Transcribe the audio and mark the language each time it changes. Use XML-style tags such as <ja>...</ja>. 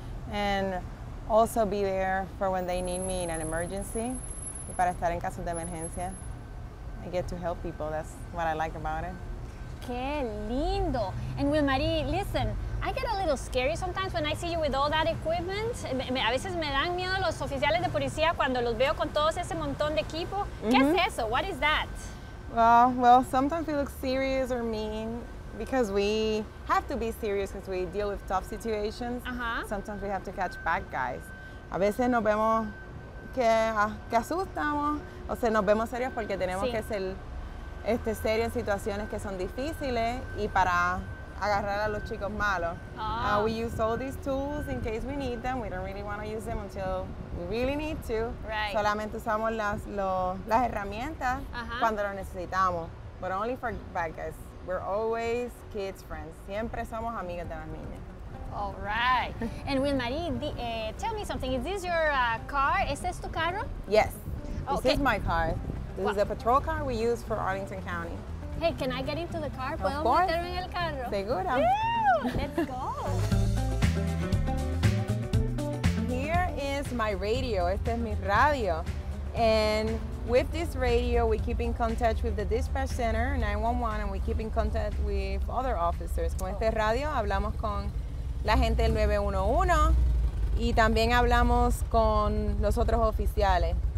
<en>And also be there for when they need me in an emergency.</en> <es>Y para estar en casos de emergencia.</es> <en>I get to help people. That's what I like about it.</en> <es>¡Qué lindo!</es> <en>And Wilmarie, listen, I get a little scary sometimes when I see you with all that equipment.</en> <es>A veces me dan miedo los oficiales de policía cuando los veo con todo ese montón de equipo. ¿Qué es eso?</es> <en>What is that? Well, sometimes we look serious or mean because we have to be serious because we deal with tough situations. Sometimes we have to catch bad guys.</en> <es>A veces nos vemos que asustamos, o sea, nos vemos serios porque tenemos que ser serios en situaciones que son difíciles y para agarrar a los chicos malos.</es> <en>We use all these tools in case we need them. We don't really want to use them until we really need to. Right.</en> <es>Solamente usamos las herramientas cuando lo necesitamos.</es> <en>But only for bad guys. We're always kids' friends.</en> <es>Siempre somos amigas de las niñas.</es> <en>All right. And Wilmarie, tell me something. Is this your car?</en> <es>¿Este es tu carro?</es> <en>Yes. Okay. This is my car. This is a patrol car we use for Arlington County. Hey, can I get into the car?</en> <es>¿Puedo meterme en el carro? Seguro.</es> <en>Let's go. Here is my radio.</en> <es>Este es mi radio.</es> <en>And with this radio, we keep in contact with the dispatch center, 911, and we keep in contact with other officers.</en> <es>Con este radio hablamos con la gente del 911 y también hablamos con los otros oficiales.</es>